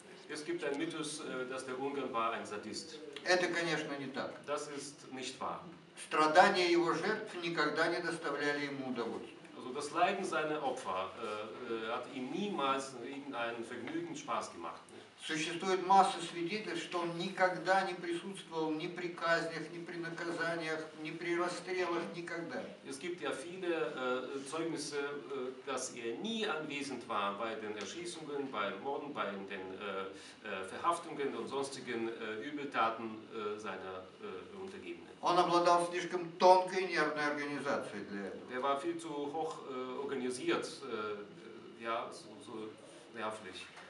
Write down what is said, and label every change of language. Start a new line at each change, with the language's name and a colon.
German: es gibt einen Mythos, dass der Ungarn war ein Sadist. Das ist nicht wahr.
Russian: Страдания его жертв никогда не доставляли ему удовольствия.
German: Also das Leiden seiner Opfer hat ihm niemals irgendeinen Vergnügen, Spaß gemacht.
Russian: Существует масса свидетельств, что он никогда не присутствовал ни при казнях, ни при наказаниях, ни при расстрелах, никогда.
German: Es gibt ja viele Zeugnisse, dass er nie anwesend war bei den Erschießungen, bei Morden, bei den Verhaftungen und sonstigen Übeltaten seiner Untergebenen.
Russian: Он обладал слишком тонкой нервной организацией для этого.
German: Der war viel zu hoch organisiert, ja, so nervlich.